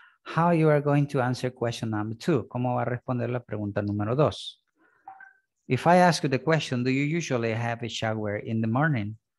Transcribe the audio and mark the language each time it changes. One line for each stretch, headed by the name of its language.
English: How you are going to answer question number two?
Spanish: ¿Cómo va a responder la pregunta número dos?
English: If I ask you the question, do you usually have a shower in the morning?